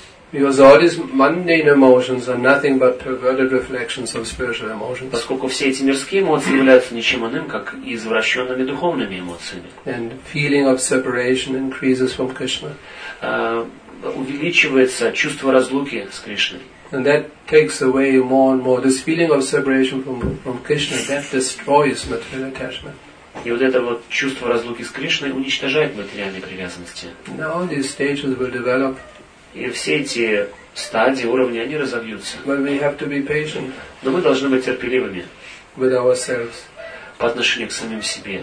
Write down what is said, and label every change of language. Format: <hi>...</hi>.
<en>Because all these mundane emotions are nothing but perverted reflections of spiritual emotions.</en> <ru>Поскольку все эти мирские эмоции являются ничем иным, как извращенными духовными эмоциями.</ru> <en>And feeling of separation increases from Krishna.</en> <ru>Увеличивается чувство разлуки с Кришной.</ru> <en>And that takes away more and more this feeling of separation from Krishna. That destroys material attachment.</en> <ru>И вот это вот чувство разлуки с Кришной уничтожает материальные привязанности.</ru> <en>Now these stages will develop.</en> <ru>И все эти стадии, уровни, они разобьются.</ru> <en>But we have to be patient.</en> <ru>Но мы должны быть терпеливыми.</ru> <en>With ourselves.</en> <ru>По отношению к самим себе.</ru>